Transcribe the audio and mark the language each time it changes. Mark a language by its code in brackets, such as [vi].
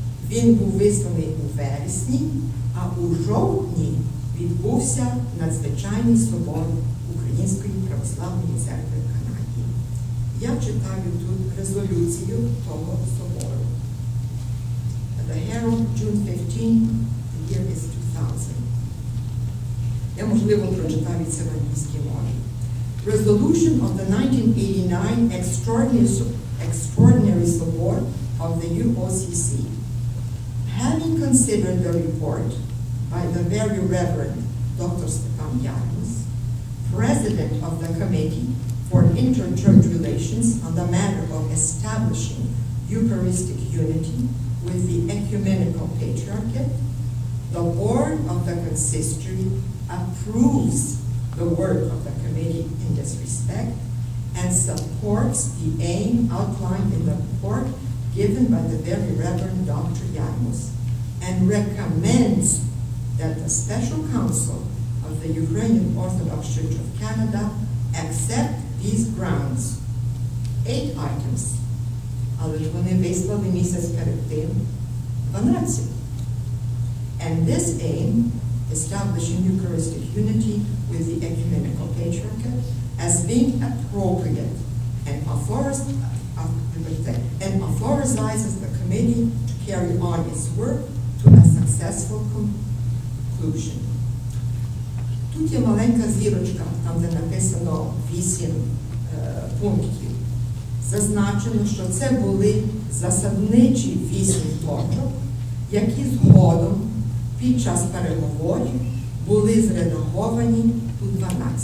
[uk] Він був висланий у вересні, а у жовтні відбувся надзвичайний собор Української православної церкви в Канаді. Я читаю тут резолюцію того собору. [en] The Herald, June 15, the year is 2000. [uk] Я, можливо, прочитаю це в англійській мові. [en] Resolution of the 1989 Extraordinary Sobor of the UOCC. Having considered the report by the Very Reverend Dr. Stefan Janus, President of the Committee for Interchurch Relations on the matter of establishing Eucharistic unity with the Ecumenical Patriarchate, the Board of the Consistory approves the work of the committee in this respect and supports the aim outlined in the report given by the Very Reverend Dr. Janus and recommends that the Special Council of the Ukrainian Orthodox Church of Canada accept these grounds. 8 items. [uk] Але ж вони вислали місяць перед тим 12. [en] And this aim, establishing Eucharistic unity with the Ecumenical Patriarchate, as being appropriate and authorizes the committee to carry on its work to a successful conclusion. [uk] Тут є маленька зірочка, там де написано 8 пунктів. Зазначено, що це були засадничі 8 точок, які згодом під час переговорів були зредаговані у 12.